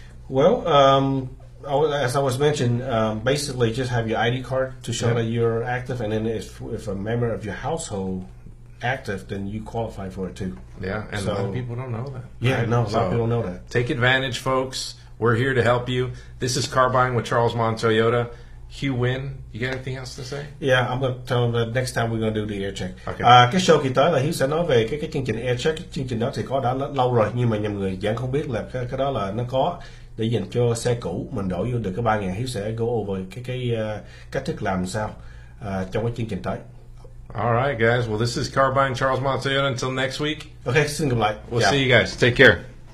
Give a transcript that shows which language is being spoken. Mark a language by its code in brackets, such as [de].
[en] Well, as I was mentioned, basically just have your ID card to show that you're active, and then if a member of your household active, then you qualify for it too. Yeah, and a lot of people don't know that. Yeah, right? No, a lot of people know that. Take advantage, folks. We're here to help you. This is Car Buying with Charles Montoyota. Hugh Nguyen, you got anything else to say? Yeah, I'm going to tell him that next time we're going to do the air check. Okay. [vi] Cái show kỳ tới là Hugh sẽ nói về cái chương trình air check. Cái chương trình đó thì có đã lâu rồi, nhưng mà nhiều người vẫn không biết là cái đó là nó có để dành cho xe cũ. Mình đổi vô được cái 3.000, Hugh sẽ [en] go over [vi] cái cách thức làm sao trong cái chương trình tới. [en] All right, guys. Well, this is Car Buying Charles Montoyota. Until next week. Okay, see you. We'll see you guys. Take care.